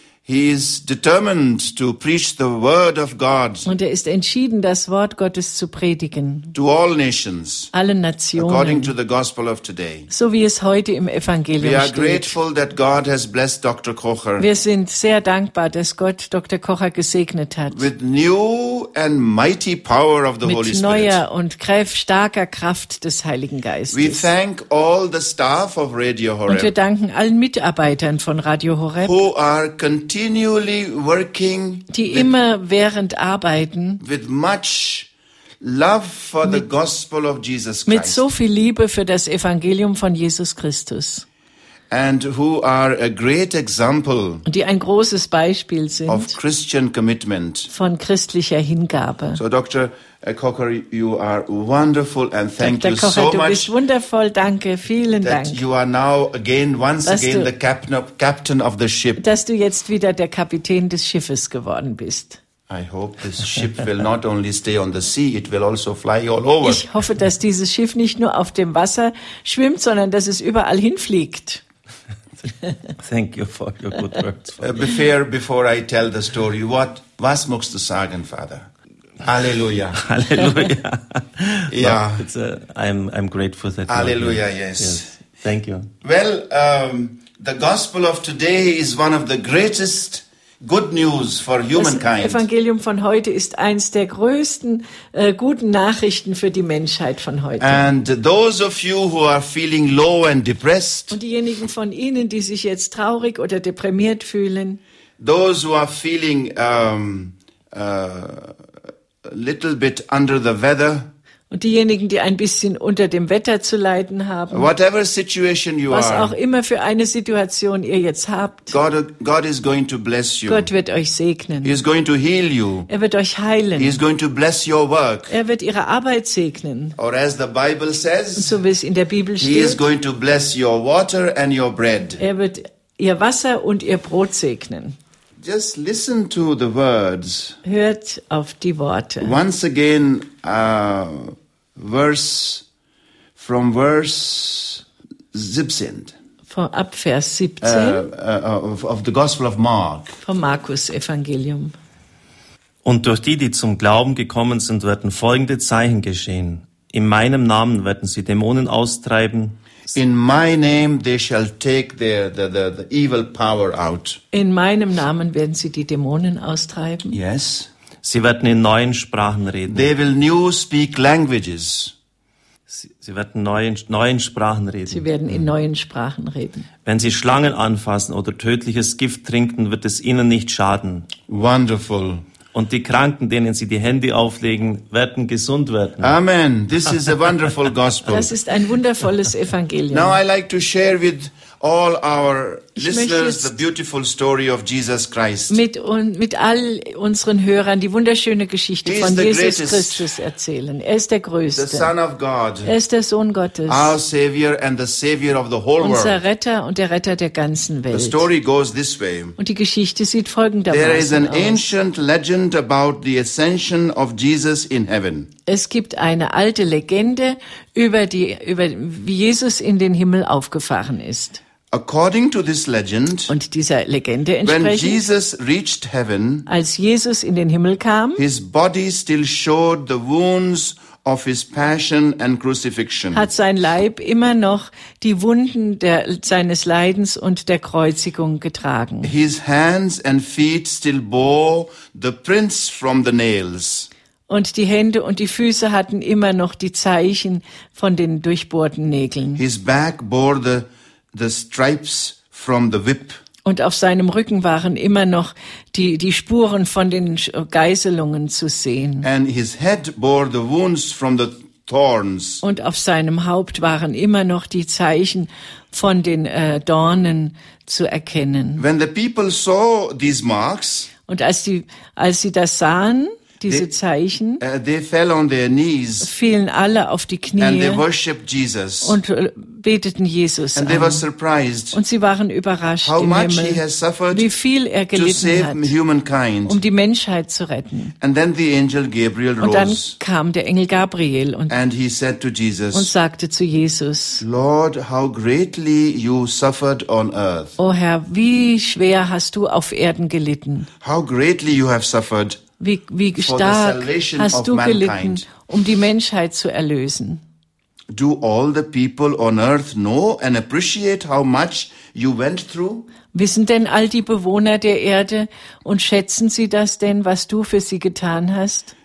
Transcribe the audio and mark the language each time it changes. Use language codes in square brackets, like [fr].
[en] He is determined to preach the word of God. [de] Und ist entschieden, das Wort Gottes zu predigen. [en] To all nations. [de] Allen Nationen. [en] According to the gospel of today. [de] So wie es heute im Evangelium steht. [en] We are grateful that God has blessed Dr. Kocher. [de] Wir sind sehr dankbar, dass Gott Dr. Kocher gesegnet hat. [en] With new and mighty power of the Holy Spirit. [de] Mit neuer und starker Kraft des Heiligen Geistes. [en] We thank all the staff of Radio Horeb. [de] Und wir danken allen Mitarbeitern von Radio Horeb. [en] Who are continually working, [de] die immer während arbeiten, [en] with much love for the gospel of Jesus Christ, [de] mit so viel Liebe für das Evangelium von Jesus Christus, [en] and who are a great example, [de] die ein großes Beispiel sind, [en] of Christian commitment, [de] von christlicher Hingabe. [en] So Dr. Kocher, you are wonderful and thank [de] Dr. Kocher, [en] you so [de] du [en] much. [de] Bist wundervoll, danke, vielen [en] that [de] Dank. [en] That you are now again, once [de] dass [en] again, [de] du, [en] the captain of the ship. [de] Dass du jetzt wieder der Kapitän des Schiffes geworden bist. [en] I hope this ship will not only stay on the sea, it will also fly all over. [de] Ich hoffe, dass dieses Schiff nicht nur auf dem Wasser schwimmt, sondern dass es überall hinfliegt. [en] Thank you for your good words. Before I tell the story, [de] was magst du sagen, [en] Father? Hallelujah. Hallelujah. Yeah. I'm grateful that Hallelujah, yes. Thank you. Well, the gospel of today is one of the greatest good news for humankind. [de] Das Evangelium von heute ist eins der größten guten Nachrichten für die Menschheit von heute. [en] And those of you who are feeling low and depressed. [de] Und diejenigen von Ihnen, die sich jetzt traurig oder deprimiert fühlen. [en] Those who are feeling little bit under the weather. [de] Und diejenigen, die ein bisschen unter dem Wetter zu leiden haben. [en] Whatever situation you [de] was [en] are. [de] Was auch immer für eine Situation ihr jetzt habt. [en] God is going to bless you. [de] Gott wird euch segnen. [en] He is going to heal you. [de] Er wird euch heilen. [en] He is going to bless your work. [de] Er wird ihre Arbeit segnen. [en] Or as the Bible says. [de] Und so wie es in der Bibel steht. [en] He is going to bless your water and your bread. [de] Er wird ihr Wasser und ihr Brot segnen. [en] Just listen to the words. [de] Hört auf die Worte. [en] Once again, verse from verse 17. [de] Von ab Vers 17. [en] Of the Gospel of Mark. [de] Vom Markus Evangelium. Und durch die zum Glauben gekommen sind, werden folgende Zeichen geschehen. In meinem Namen werden sie Dämonen austreiben. [en] In my name they shall take the evil power out. [de] In meinem Namen werden sie die Dämonen austreiben. [en] Yes. [de] Sie werden in neuen Sprachen reden. [en] They will new speak languages. [de] Sie werden neuen Sprachen reden. Sie werden in neuen Sprachen reden. Wenn sie Schlangen anfassen oder tödliches Gift trinken, wird es ihnen nicht schaden. [en] Wonderful. [de] Und die Kranken, denen sie die Hände auflegen, werden gesund werden. [en] Amen. This is a wonderful gospel. [de] Das ist ein wundervolles Evangelium. [en] Now I like to share with all our listeners the beautiful story of Jesus Christ. [de] Mit all unseren Hörern die wunderschöne Geschichte von Jesus Christus erzählen. Er ist der Größte. [en] The Son of God. [de] Er ist der Sohn Gottes. [en] Our Savior and the Savior of the whole world. [de] Unser Retter und der Retter der ganzen Welt. [en] The story goes this way. [de] Und die Geschichte sieht folgendermaßen aus. [en] There is an ancient legend about the ascension of Jesus in heaven. [de] Es gibt eine alte Legende über wie Jesus in den Himmel aufgefahren ist. [en] According to this legend, [de] und dieser Legende entsprechend, [en] when Jesus reached heaven, [de] als Jesus in den Himmel kam, [en] his body still showed the wounds of his passion and crucifixion. [de] Hat sein Leib immer noch die Wunden seines Leidens und der Kreuzigung getragen. [en] His hands and feet still bore the prints from the nails. [de] Und die Hände und die Füße hatten immer noch die Zeichen von den durchbohrten Nägeln. [en] His back bore the stripes from the whip. [de] Und auf seinem Rücken waren immer noch die Spuren von den Geißelungen zu sehen. [en] And his head bore the wounds from the thorns. [de] Und auf seinem Haupt waren immer noch die Zeichen von den Dornen zu erkennen. [en] When the people saw these marks, [de] und als sie das sahen, diese Zeichen, [en] they fell on their knees, [de] fielen alle auf die Knie [en] and they worshiped Jesus. [de] Und beteten Jesus [en] and [de] an. [en] They were surprised, [de] und sie waren überrascht [en] how [de] im [en] much [de] Himmel, [en] he has suffered, [de] wie viel er gelitten [en] to save [de] hat, [en] humankind. [de] Um die Menschheit zu retten. [en] And then the angel Gabriel [de] und dann [en] rose, [de] kam der Engel Gabriel [en] and he said to Jesus, [de] und sagte zu Jesus, [en] Lord, how greatly you suffered on earth. [de] O Herr, wie schwer hast du auf Erden gelitten. [en] How greatly you have suffered. [de] Wie stark hast du gelitten, um die Menschheit zu erlösen? [en] Do all the people on earth know and appreciate how much you went through? [de] Wissen denn all die Bewohner der Erde und schätzen sie das denn, was du für sie getan hast?